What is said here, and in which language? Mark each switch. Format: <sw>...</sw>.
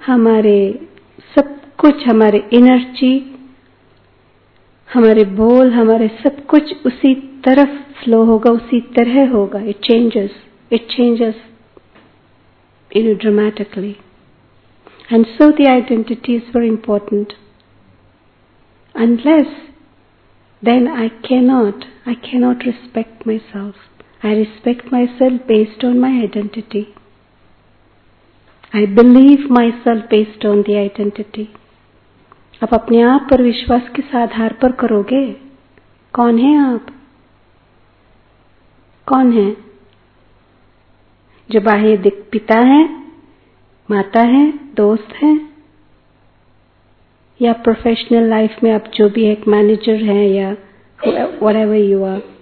<hi>हमारे सब कुछ, हमारे एनर्जी, हमारे बोल, हमारे सब कुछ उसी तरफ फ्लो होगा, उसी तरह होगा.</hi> <en>It changes in dramatically. And so the identity is very important. Unless then I cannot respect my self. I respect myself based on my identity. I believe myself based on the identity.</en> <hi>आप अपने आप पर विश्वास किस आधार पर करोगे? कौन है आप? कौन है? जो बाह्य पिता है, माता है, दोस्त है, या प्रोफेशनल लाइफ में आप जो भी एक मैनेजर हैं या</hi> <en>whatever you are.</en>